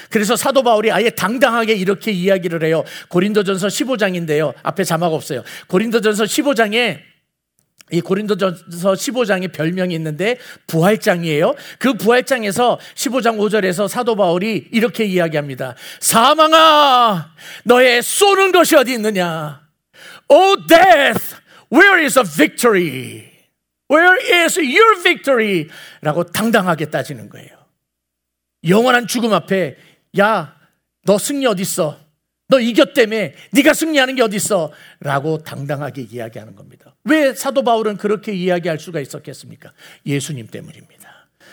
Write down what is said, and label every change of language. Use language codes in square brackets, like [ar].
[ko] 그래서 사도 바울이 아예 당당하게 이렇게 이야기를 해요. 고린도전서 15장인데요. 앞에 자막 없어요. 고린도전서 15장에 이 고린도전서 15장에 별명이 있는데 부활장이에요. 그 부활장에서 15장 5절에서 사도 바울이 이렇게 이야기합니다. 사망아, 너의 쏘는 것이 어디 있느냐? [en] Oh death, where is the victory? Where is your victory? [ko] 라고 당당하게 따지는 거예요. 영원한 죽음 앞에 야, 너 승리 어디 있어? 너 이겼다며 네가 승리하는 게 어딨어? 라고 당당하게 이야기하는 겁니다. 왜 사도 바울은 그렇게 이야기할 수가 있었겠습니까? 예수님 때문입니다.